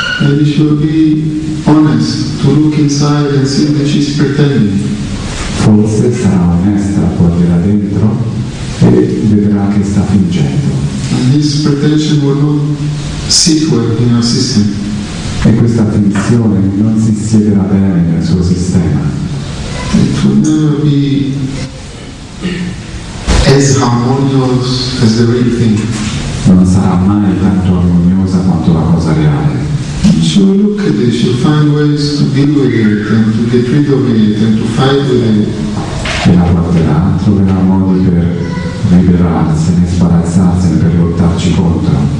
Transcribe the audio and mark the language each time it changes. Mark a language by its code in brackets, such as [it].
[en] Maybe she will be honest to look inside and see that she's pretending. [it] Forse sarà onesta, guarderà dentro e vedrà che sta fingendo. [en] And this pretension will not sit well in her system. [it] E questa finzione non si siederà bene nel suo sistema. [en] It will never be as harmonious as the real thing. [it] Non sarà mai tanto armoniosa quanto la cosa reale. [en] She will look at it, she'll find ways to deal with it and to get rid of it and to fight with it. [it] E la guarderà, troverà modi per liberarsene, sbarazzarsene, per lottarci contro.